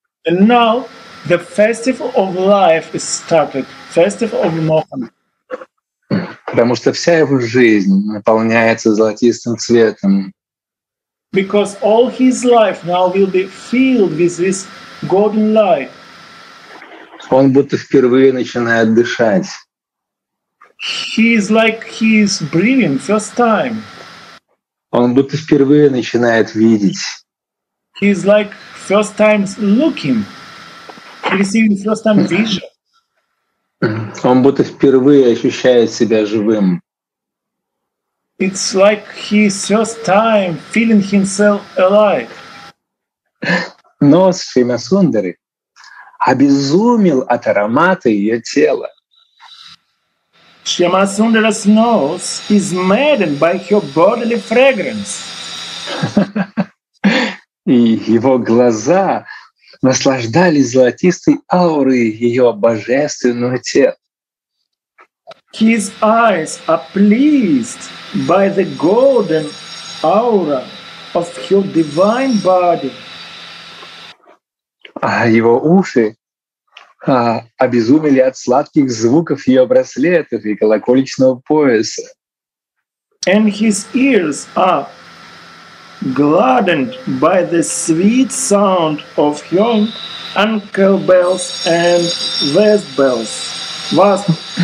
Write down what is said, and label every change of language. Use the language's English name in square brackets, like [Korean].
[English] And now the festival of life is started. Festival of Mohana. [Russian] Потому что вся его жизнь наполняется золотистым цветом. [English] Because all his life now will be filled with this golden light. [Russian] Он будто впервые начинает дышать. [English] He is like he is breathing first time. [Russian] Он будто впервые начинает видеть. [English] He is like first time looking. Receiving first time vision. [Russian] Он будто впервые ощущает себя живым. [English] It's like his first time feeling himself alive. [Russian] Но Шримасундари обезумел от аромата ее тела. [English] Шримасундари's nose is maddened by her bodily fragrance. [Russian] И его глаза наслаждались золотистой аурой ее божественного тела. [English] His eyes are pleased by the golden aura of her divine body. [Russian] А его уши обезумели от сладких звуков ее браслетов и колокольчного пояса. [English] And his ears are gladdened by the sweet sound of her ankle bells and waist bells.